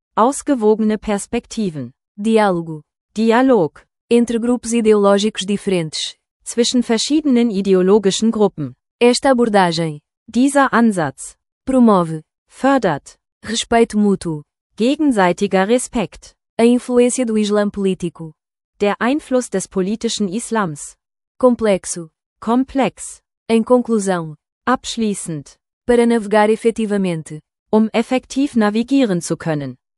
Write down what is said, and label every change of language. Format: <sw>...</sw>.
<de>Ausgewogene Perspektiven.</de> <pt>Diálogo.</pt> <de>Dialog.</de> <pt>Entre grupos ideológicos diferentes.</pt> <de>Zwischen verschiedenen ideologischen Gruppen.</de> <pt>Esta abordagem.</pt> <de>Dieser Ansatz.</de> <pt>Promove.</pt> <de>Fördert.</de> <pt>Respeito mútuo.</pt> <de>Gegenseitiger Respekt.</de> <pt>A influência do Islã político.</pt> <de>Der Einfluss des politischen Islams.</de> <pt>Complexo.</pt> <de>Komplex.</de> <pt>Em conclusão.</pt> <de>Abschließend.</de> <pt>Para navegar efetivamente.</pt> <de>Um effektiv navigieren zu können.</de>